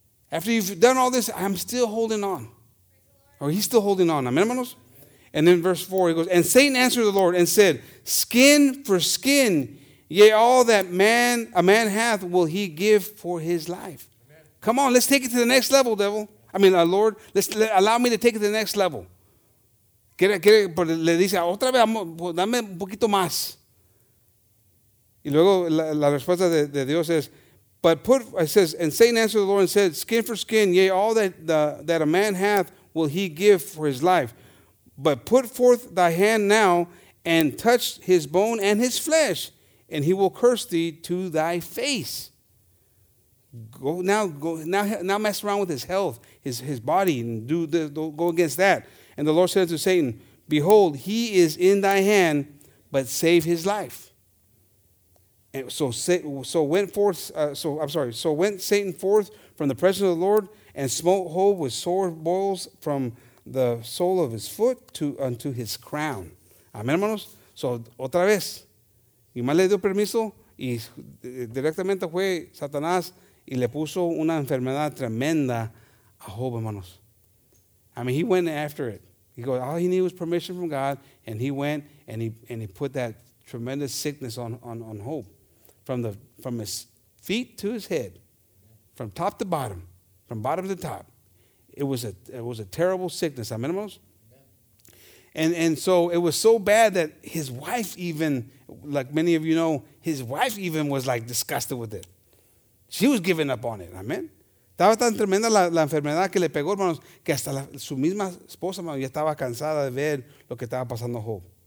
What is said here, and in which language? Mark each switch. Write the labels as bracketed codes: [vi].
[en] After you've done all this, I'm still holding on. Or he's still holding on. Amen, hermanos? And then verse 4, he goes, and Satan answered the Lord and said, skin for skin, yea, all that a man hath will he give for his life. Amen. Come on, let's take it to the next level, devil. I mean, Lord, allow me to take it to the next level. [es] Le dice, otra vez, dame un poquito más. Y luego la respuesta de Dios es, [en] and Satan answered the Lord and said, skin for skin, yea, all that a man hath will he give for his life. But put forth thy hand now and touch his bone and his flesh, and he will curse thee to thy face. Go now mess around with his health, his body, and go against that. And the Lord said to Satan, behold, he is in thy hand, but save his life. And so went Satan forth from the presence of the Lord and smote Job with sore boils from the sole of his foot unto his crown. [es] Amen, hermanos. So, otra vez. Y más le dio permiso y directamente fue Satanás y le puso una enfermedad tremenda a Job, hermanos. [en] I mean, he went after it. He goes, all he needed was permission from God, and he went and he put that tremendous sickness on Job from his feet to his head, from top to bottom. From bottom to top, it was a terrible sickness. Amen, hermanos? And so it was so bad that his wife even, like many of you know, his wife even was like disgusted with it. She was giving up on it. Amen. [es] Estaba tan tremenda la enfermedad que le pegó, hermanos, que hasta su misma esposa, hermanos, ya estaba cansada de ver lo que estaba pasando a Job.